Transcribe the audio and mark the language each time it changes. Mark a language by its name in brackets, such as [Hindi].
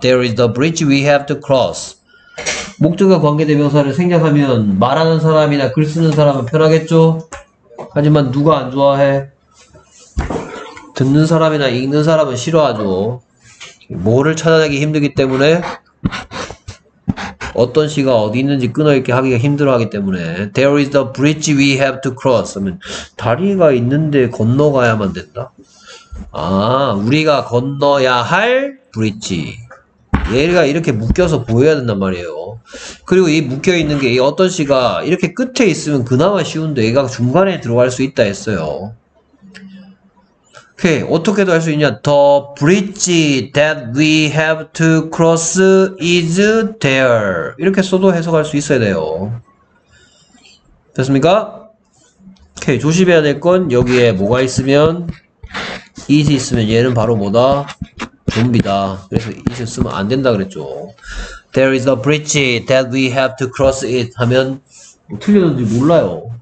[English] There is a bridge we have to cross. [Korean] 목적과 관계대명사를 생략하면 말하는 사람이나 글 쓰는 사람은 편하겠죠? 하지만 누가 안 좋아해? 듣는 사람이나 읽는 사람은 싫어하죠. 뭐를 찾아내기 힘들기 때문에 어떤 시가 어디 있는지 끊어있게 하기가 힘들어하기 때문에 [English] There is the bridge we have to cross. [Korean] 다리가 있는데 건너가야만 된다? 아, 우리가 건너야 할 브릿지. 얘가 이렇게 묶여서 보여야 된단 말이에요. 그리고 이 묶여있는 게 이 어떤 시가 이렇게 끝에 있으면 그나마 쉬운데 얘가 중간에 들어갈 수 있다 했어요. 오케이, 어떻게도 할 수 있냐. [English] The bridge that we have to cross is there. [Korean] 이렇게 써도 해석할 수 있어야 돼요. 됐습니까? 오케이, 조심해야 될 건 여기에 뭐가 있으면 is 있으면 얘는 바로 뭐다? 좀비다. 그래서 is 쓰면 안 된다 그랬죠. [English] There is a bridge that we have to cross it [Korean] 하면 뭐 틀렸는지 몰라요.